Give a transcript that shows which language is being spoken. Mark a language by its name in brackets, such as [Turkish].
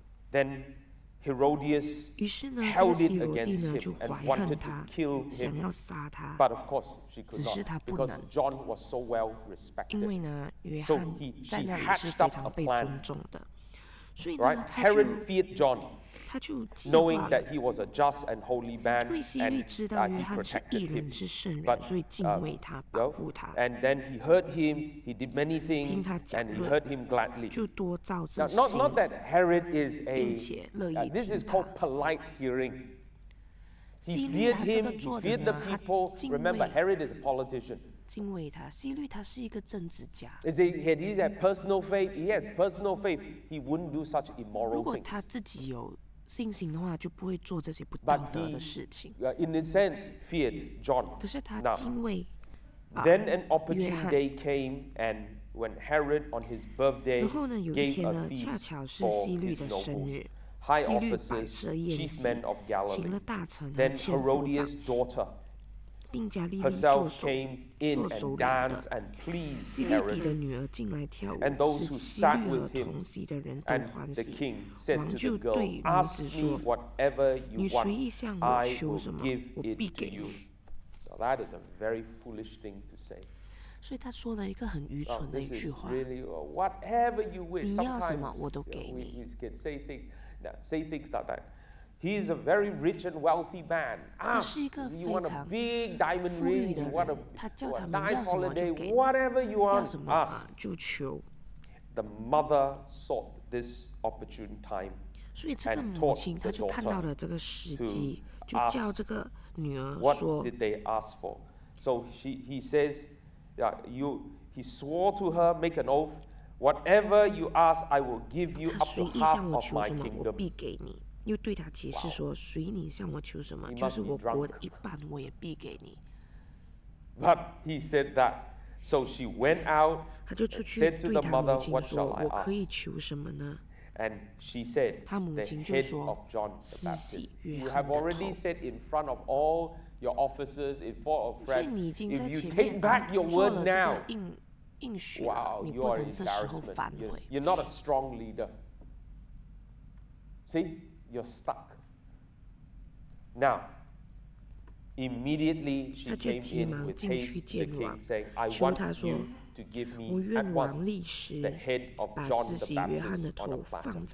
[English] Then Herodias held it against him and wanted to kill him, but of course. [Chinese] 只是他不能 [English] John was so well respected. [Chinese] 因为呢，约翰在那里是非常被尊重的，所以呢， [English] right? Herod feared John, [Chinese] 他就计划 [English] knowing that he was a just and holy man, [Chinese] 因为希律知道约翰是义人是圣人，所以敬畏他，保护他。 [English] And then he heard him, he did many things, [Chinese] 听他讲论 [English] and he heard him gladly. [Chinese] 就多照着行。 [English] Not that Herod is a, [Chinese] 并且乐意听他。 [English] This is called polite hearing. He feared him, he feared the people. Remember, Herod is a politician. [Chinese] 敬畏他，希律他是一个政治家。 [English] Is he? He had personal faith. He had personal faith. He wouldn't do such immoral things. [Chinese] 如果他自己有信心的话，就不会做这些不道德的事情。 [English] But he, in a sense, feared John. [Chinese] 可是他敬畏。 [English] Then an opportune day came, and when Herod, on his birthday, gave a feast for his nobles. High officers, chief men of Galilee, then Herodias' daughter herself came in and danced and pleased Herod. And those who sat with him and the king said to the girl, "Ask me whatever you want, I will give it to you." Now that is a very foolish thing to say. [Chinese] 所以他说了一个很愚蠢的一句话。 [English] Really, wish, [Chinese] 你要什么我都给你。 [English] Say things like that. He is a very rich and wealthy man. Ask, you want a big diamond ring, you want a nice holiday, whatever you want, ask. The mother sought this opportune time. [Chinese] 所以这个母亲她就看到了这个时机，就叫这个女儿说。 [English] What did they ask for? So he says. Yeah, he swore to her, make an oath, whatever you ask, I will give you up to half of my kingdom. [Chinese] 必给你。又对他解释说，随你向我求什么，就是我国的一半，我也必给你。 [English] But he said that, so she went out. [Chinese] 他就出去对他母亲说，我可以求什么呢？ [English] And she said, [Chinese] 他母亲就说，施洗约翰的头。 [English] You have already said in front of all. Your officers, in front of friends, if you take back your word now, wow, you are an embarrassment. You're not a strong leader. See, you're stuck. Now, immediately she came in with haste to the king, saying, "I want you to give me at once the head of John the Baptist on a platter."